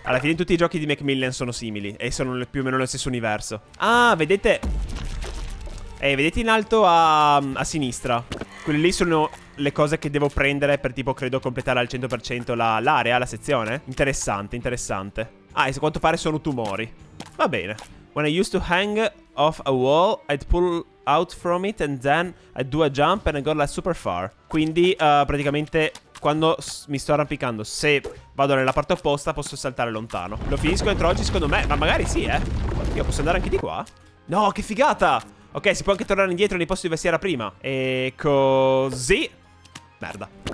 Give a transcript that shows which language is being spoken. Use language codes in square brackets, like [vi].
[it] Alla fine tutti i giochi di Macmillan sono simili. E sono più o meno nello stesso universo. Ah, vedete... vedete in alto a sinistra? Quelle lì sono le cose che devo prendere per tipo, credo, completare al 100% l'area, la sezione. Interessante, interessante. Ah, e a quanto pare sono tumori. Va bene. [en] When I used to hang off a wall, I'd pull out from it and then I'd do a jump and I got like super far. [it] Quindi, praticamente, quando mi sto arrampicando, se vado nella parte opposta, posso saltare lontano. Lo finisco entro oggi, secondo me? Ma magari sì, eh. Io posso andare anche di qua? No, che figata! Ok, si può anche tornare indietro nei posti dove si era prima. E così. Merda.